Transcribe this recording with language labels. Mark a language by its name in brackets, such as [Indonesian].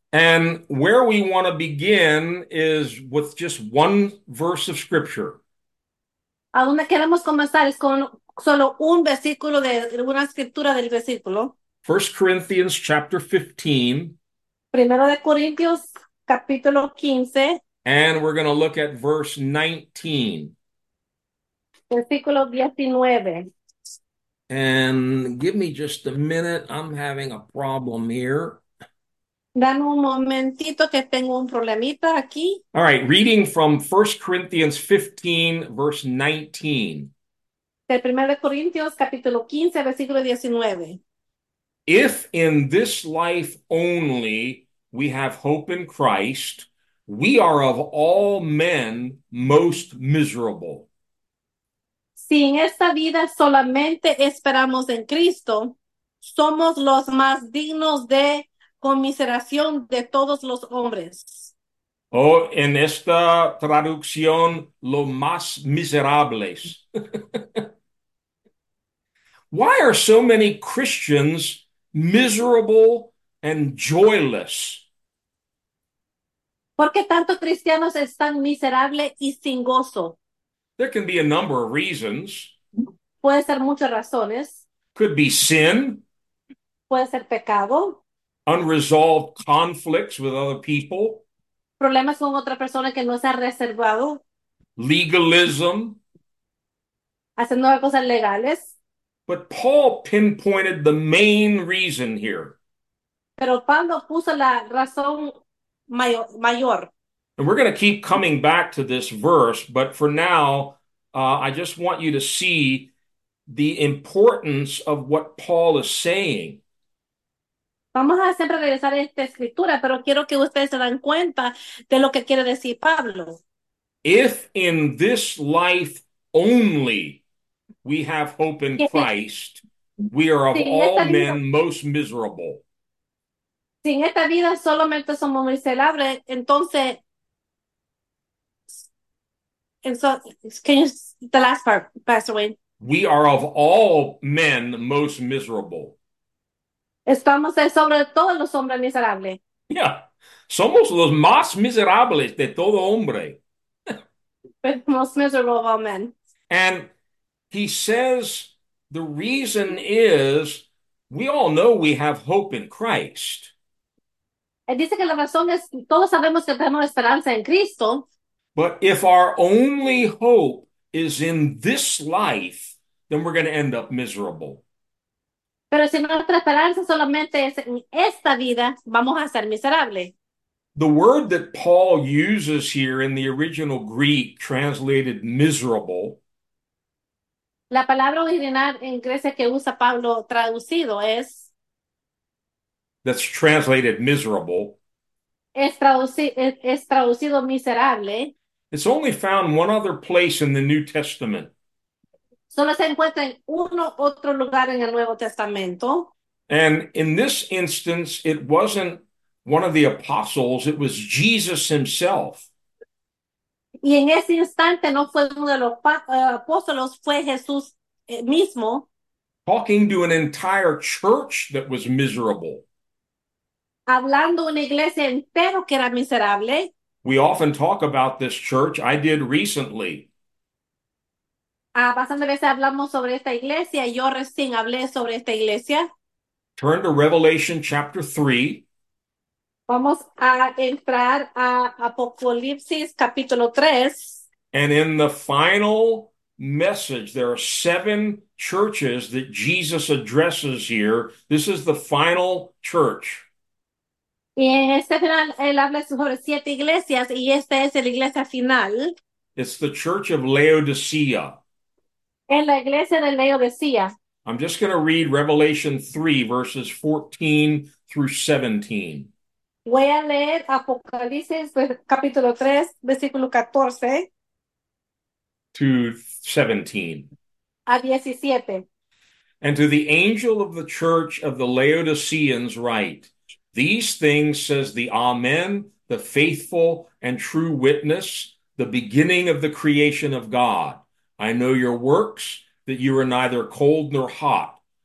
[English] And where we want to begin is with just one verse of scripture. [Spanish] ¿A dónde queremos comenzar? Es con solo un versículo de una escritura del versículo. [English] 1 Corinthians chapter 15. [Spanish] Primero de Corintios, capítulo 15, [English] And we're going to look at verse 19. [Spanish] versículo 19. [English] And give me just a minute. I'm having a problem here. All [Spanish] Dame un momentito que tengo un problemita aquí. [English] right, reading from 1 Corinthians 15, verse 19. [Spanish] El 1 de Corintios, capítulo 15, versículo 19. [English] If in this life only we have hope in Christ, we are of all men most miserable. [Spanish] Si en esta vida solamente esperamos en Cristo, somos los más dignos de conmiseración de todos los hombres. Oh, en esta traducción, lo más miserables. [English] Why are so many Christians miserable and joyless? [Spanish] ¿Por qué tantos cristianos están miserables y sin gozo? [English] There can be a number of reasons. [Spanish] Puede ser muchas razones. [English] Could be sin, [Spanish] Puede ser pecado. [English] unresolved conflicts with other people, [Spanish] Problemas con otra persona que no se ha reservado. [English] legalism. [Spanish] Haciendo las cosas legales. [English] But Paul pinpointed the main reason here. [Spanish] Pero Pablo puso la razón mayor. [English] And we're going to keep coming back to this verse, but for now, I just want you to see the importance of what Paul is saying. [Spanish] Vamos a siempre regresar a esta escritura, pero quiero que ustedes se den cuenta de lo que quiere decir Pablo. [English] If in this life only we have hope in Christ, we are of [Spanish] Esta [English] all [Spanish] vida. [English] men most miserable. [Spanish] Si en esta vida solamente somos miserables, entonces. [English] Can you, the last part, Pastor Wayne. We are of all men most miserable. [Spanish] Estamos sobre todos los hombres miserables. Yeah, somos los más miserables de todo hombre. [English] Most miserable of all men. And he says the reason is we all know we have hope in Christ. [Spanish] Él dice que la razón es, todos sabemos que tenemos esperanza en Cristo. [English] But if our only hope is in this life, then we're going to end up miserable. [Spanish] Pero si nuestra esperanza solamente es en esta vida, vamos a ser miserables. [English] The word that Paul uses here in the original Greek, translated miserable, [Spanish] La palabra original en Grecia que usa Pablo traducido es. [English] that's translated miserable. [Spanish] Es traducido miserable. [English] It's only found one other place in the New Testament. [Spanish] Solo se encuentra en uno otro lugar en el Nuevo Testamento. [English] And in this instance, it wasn't one of the apostles, it was Jesus himself. [Spanish] Y en ese instante no fue uno de los apóstoles, fue Jesús mismo. [English] Talking to an entire church that was miserable. [Spanish] Hablando una iglesia entera que era miserable. [English] We often talk about this church. I did recently. [Spanish] Bastantes veces hablamos sobre esta iglesia. Yo recién hablé sobre esta iglesia. [English] Turn to Revelation chapter 3. [Spanish] Vamos a entrar a Apocalipsis capítulo 3. [English] And in the final message, there are seven churches that Jesus addresses here. This is the final church. [Spanish] Y en este final, él habla sobre siete iglesias y esta es la iglesia final. [English] It's the Church of Laodicea. [Spanish] En la iglesia de Laodicea. [English] I'm just going to read Revelation 3, verses 14 through 17. [Spanish] Voy a leer Apocalipsis, capítulo 3, versículo 14 [English] To 17. [Spanish] a 17. [English] And to the angel of the church of the Laodiceans write, "These things says the Amen, the faithful and true witness, the beginning of the creation of God. I know your works, that you are neither cold nor hot.